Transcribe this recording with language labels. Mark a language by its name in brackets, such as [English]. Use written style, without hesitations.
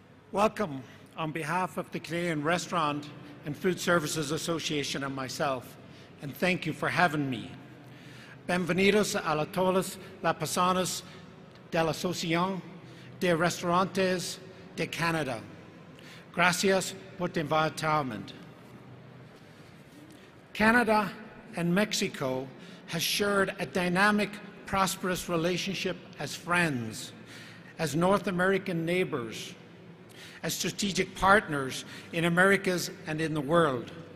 [English] Welcome on behalf of the Canadian Restaurant and Food Services Association and myself, and thank you for having me. [Spanish] Bienvenidos a la todas las personas de la Asociación de Restaurantes de Canadá. Gracias por tu invitación. [English] Canada and Mexico has shared a dynamic, prosperous relationship as friends, as North American neighbors, as strategic partners in Americas and in the world.